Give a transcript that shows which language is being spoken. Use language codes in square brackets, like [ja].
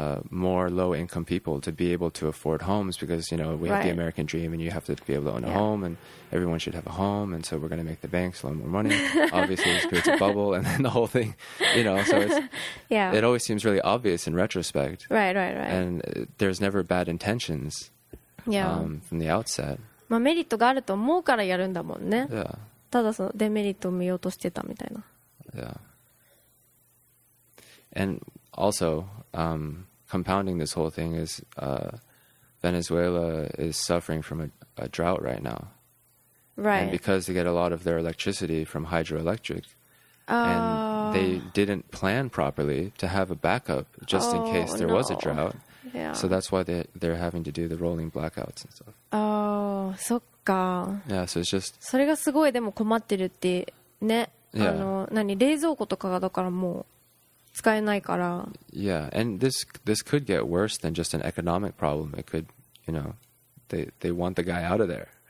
[en] more low-income people to be able to afford homes because, you know, we have the American dream and you have to be able to own a home and everyone should have a home. And so we're going to make the banks loan more money. Obviously, this creates a bubble and then the whole thing, you know. So it's, it always seems really obvious in retrospect. Right, right, right. And there's never bad intentions from the outset. [ja] まあ、メリットがあると思うからやるんだもんね。 [en] Yeah. [ja] ただそのデメリットを見ようとしてたみたいな。 [en] Yeah. And also, compounding this whole thing is, Venezuela is suffering from a drought right now. Right. And because they get a lot of their electricity from hydroelectric, and they didn't plan properly to have a backup just in case there was a drought. Yeah. So that's why they're having to do the rolling blackouts and stuff. [ja] Oh, そっか。 [en] Yeah, so it's just... [ja] それがすごいでも困ってるってね。 [en] Yeah. [ja] 冷蔵庫とかがだからもう使えないから。 [en] Yeah, and this could get worse than just an economic problem. It could, you know, they want the guy out of there.